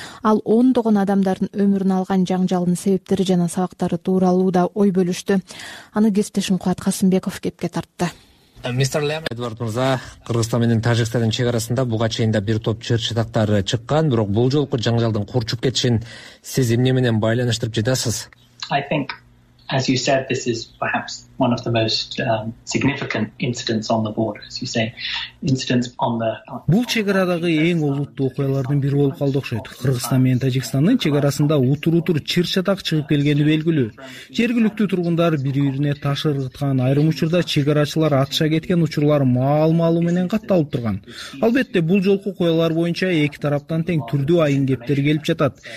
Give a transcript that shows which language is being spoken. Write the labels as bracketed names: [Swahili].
[Kyrgyz] Ал ондогон адамдардын өмүрүн алган жаңжалдын себептери жана сабактары тууралуу да ой бөлүштү. Аны кесиптешим Кубат Касымбеков кепке тартты. Эдвард мырза, Кыргызстан менен Тажикстандын чек арасында буга чейин да бир топ чыр-чатактар чыккан, бирок бул жолку жаңжалдын курчуп кетишин сиз эмне менен байланыштырып жатасыз? [English] I think, as you said, this is perhaps one of the most significant incidents on the border, as you say, incidents on the. [Kyrgyz] Бул чек арадагы эң олуттуу окуялардын бири болуп калды окшойт. Кыргызстан менен Тажикстандын чек арасында утур-утур чыр-чатак чыгып келгени белгилүү. Жергиликтүү тургундар бири-бирине таш ыргыткан, айрым учурда чек арачылар атыша кеткен учурлар маал-маалуу менен катталып турган. Албетте, бул жолку окуялар боюнча эки тараптан тең түрдүү айын кептер келип жатат.